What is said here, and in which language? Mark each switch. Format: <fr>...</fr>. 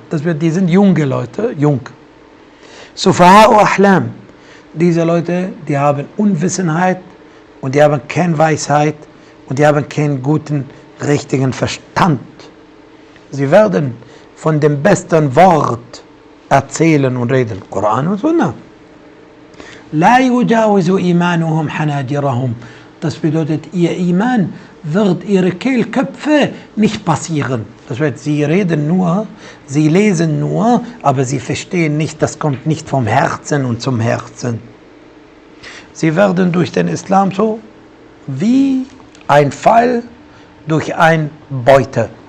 <de>Das wird, die sind junge Leute, jung. Sufaha'u Ahlam. Diese Leute, die haben Unwissenheit und die haben keine Weisheit und die haben keinen guten, richtigen Verstand. Sie werden von dem besten Wort erzählen und reden. Koran und Sunna.</de> <ar>لا يجاوز إيمانهم حناجرهم.</ar> <de>Das bedeutet, ihr Iman wird ihre Kehlköpfe nicht passieren. Das heißt, sie reden nur, sie lesen nur, aber sie verstehen nicht, das kommt nicht vom Herzen und zum Herzen. Sie werden durch den Islam so wie ein Pfeil durch ein Beute.</de>